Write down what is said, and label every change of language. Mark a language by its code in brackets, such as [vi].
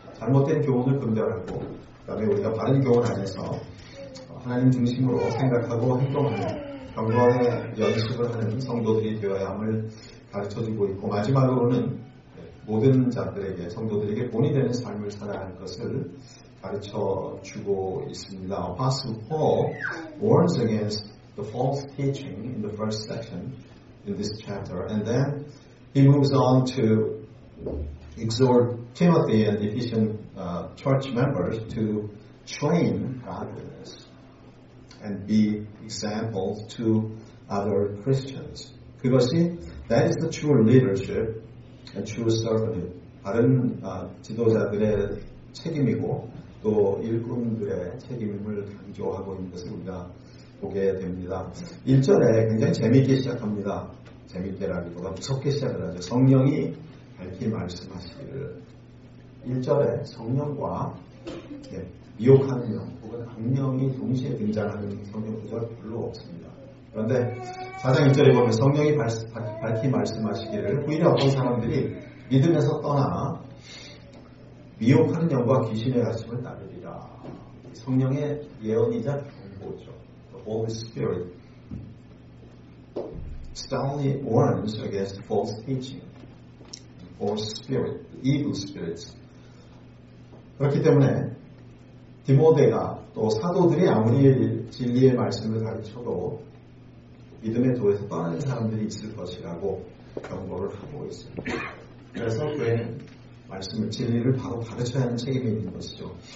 [ko] 잘못된 교훈을 분별하고 그 다음에 우리가 바른 교훈 안에서 하나님 중심으로 생각하고 행동하는 경건의 연습을 하는 성도들이 되어야 함을 가르쳐주고 있고 마지막으로는 모든 자들에게 성도들에게 본이 되는 삶을 살아야 할 것을 가르쳐 주고 있습니다. [en] Apostle Paul warns against the false teaching in the first section in this chapter, and then he moves on to exhort Timothy and the Ephesian church members to train godliness and be examples to other Christians. [ko] 그것이 [en] that is the true leadership and true servanthood. [ko] 다른 지도자들의 책임이고. 또 일꾼들의 책임을 강조하고 있는 것을 우리가 보게 됩니다. 1절에 굉장히 재미있게 시작합니다. 재미있게라기보다 무섭게 시작을 하죠. 성령이 밝히 말씀하시기를 1절에 성령과 미혹하는 영 혹은 악령이 동시에 등장하는 성경 구절 별로 없습니다. 그런데 4장 1절에 보면 성령이 밝히 말씀하시기를 오히려 어떤 사람들이 믿음에서 떠나 미혹하는 영과 귀신의 가슴을 따르리라. 성령의 예언이자 경고죠. [en] The Holy Spirit strongly warns against false teaching. False spirit, evil spirits. [ko] 그렇기 때문에 디모데가 또 사도들이 아무리 진리의 말씀을 가르쳐도 믿음의 도에서 떠나는 사람들이 있을 것이라고 경고를 하고 있습니다. 그래서 교회는 말씀을 진리를 바로 가르쳐야 하는 책임이 있는 것이죠.